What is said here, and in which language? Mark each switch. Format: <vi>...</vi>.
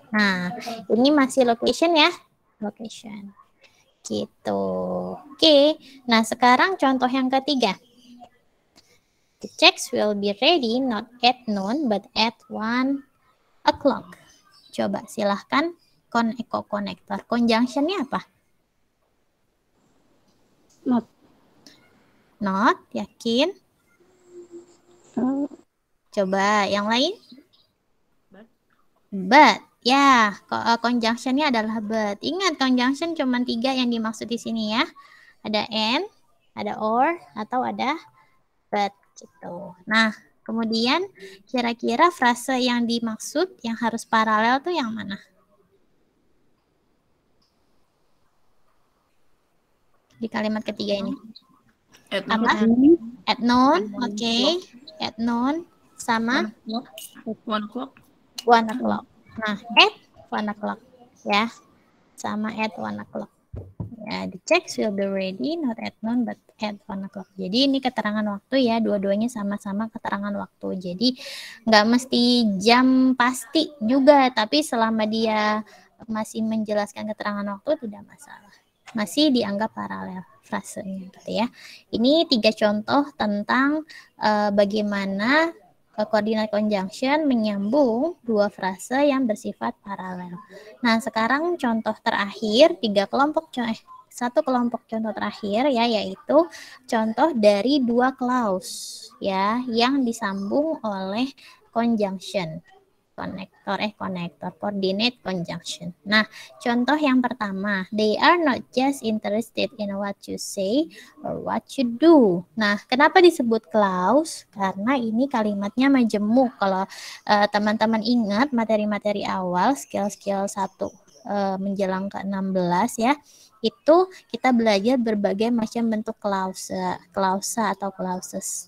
<id>Nah, ini masih location ya? Location, gitu. Okay. Nah, sekarang contoh yang ketiga.</id> <en>The checks will be ready not at noon but at 1 o'clock.</en> <id>Coba silahkan konektor. Conjunction-nya apa?</id> <en>Not,</en> <id>yakin? Coba yang lain? But. Ya, yeah, conjunction-nya adalah but. Ingat conjunction cuma tiga yang dimaksud di sini ya. Ada and, ada or, atau ada but. Gitu. Nah, kemudian kira-kira frase yang dimaksud yang harus paralel tuh yang mana? di kalimat ketiga ini?</id> <en>At noon. Apa? At noon. Oke. Okay. At noon sama one o'clock. Nah, at one o'clock ya. Sama at one o'clock. Ya, the checks will be ready not at noon but at one o'clock.</en> <id>Jadi ini keterangan waktu ya, dua-duanya sama-sama keterangan waktu. Jadi nggak mesti jam pasti juga, tapi selama dia masih menjelaskan keterangan waktu tidak masalah. Masih dianggap paralel frasenya, gitu ya. Ini tiga contoh tentang bagaimana koordinat conjunction menyambung dua frase yang bersifat paralel. Nah, sekarang contoh terakhir, satu kelompok contoh terakhir ya, yaitu contoh dari dua clause ya yang disambung oleh conjunction.</id> <en>Coordinate conjunction.</en> <id>Nah, contoh yang pertama,</id> <en>they are not just interested in what you say or what you do.</en> <id>Nah, kenapa disebut clause? Karena ini kalimatnya majemuk. Kalau teman-teman ingat materi-materi awal, skill-skill 1 menjelang ke 16 ya, itu kita belajar berbagai macam bentuk clause, clausa atau clauses.</id>